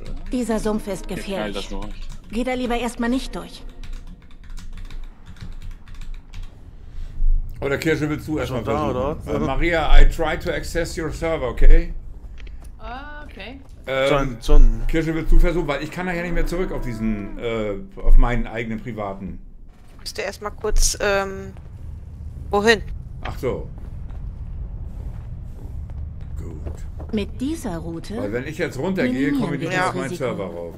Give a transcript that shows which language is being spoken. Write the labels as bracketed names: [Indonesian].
[German] Dieser Sumpf ist gefährlich. Geh da lieber erstmal nicht durch. Oder Kirsche, willst du erstmal versuchen? [English] Maria, I try to access your server, okay? Okay. John. [German] Kirsche, willst du versuchen? Weil ich kann nachher nicht mehr zurück auf meinen eigenen privaten. Müsste erstmal kurz Wohin? Ach so. Gut. Mit dieser Route. Weil wenn ich jetzt runtergehe, komme ich nicht auf meinen Server rauf.